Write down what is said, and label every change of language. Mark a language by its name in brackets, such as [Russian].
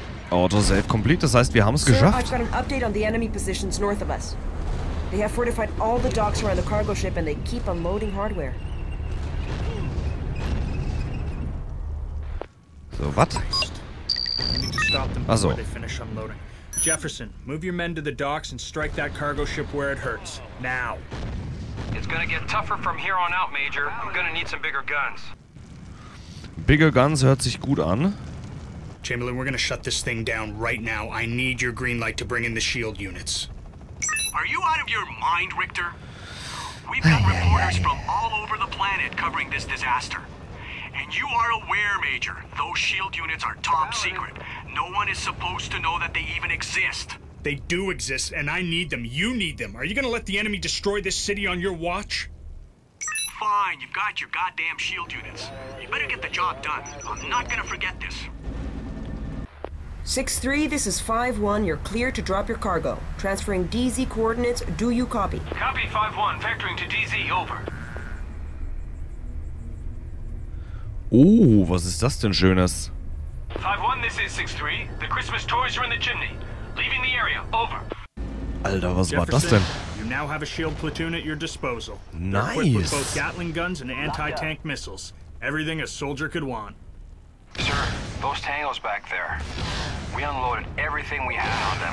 [English] Autosave complete, [German] das heißt, wir haben es geschafft. [English] I've got an update on the enemy positions north of us. They have fortified all the docks around the cargo ship and they keep unloading hardware. So, what? Also. Jefferson, move your men to the docks and strike that cargo ship where it hurts. Now. It's gonna get tougher from here on out, Major. I'm gonna need some bigger guns. Bigger guns [German] hört sich gut an. [English] Chamberlain, we're gonna shut this thing down right now. I need your green light to bring in the shield units. Are you out of your mind, Richter? We've got reporters from all over the planet covering this disaster. And you are aware, Major, those shield units are top secret. No one is supposed to know that they even exist. They do exist, and I need them. You need them. Are you gonna let the enemy destroy this city on your watch? Fine, you've got your goddamn shield units. You better get the job done. I'm not gonna forget this. 6-3, this is 5-1. You're clear to drop your cargo. Transferring DZ coordinates, do you copy? Copy, 5-1. Vectoring to DZ, over. [German] Oh, was ist das denn Schönes? [English] 5-1, this is 6-3. The Christmas toys are in the chimney. Leaving the area, over. [German] Alter, was [English] Jefferson, [German] war das denn? [English] You now have a shield platoon at your disposal. Nice. They're equipped with both Gatling guns and anti-tank missiles. Everything a soldier could want. Sir, those tangos back there. We unloaded everything we had on them.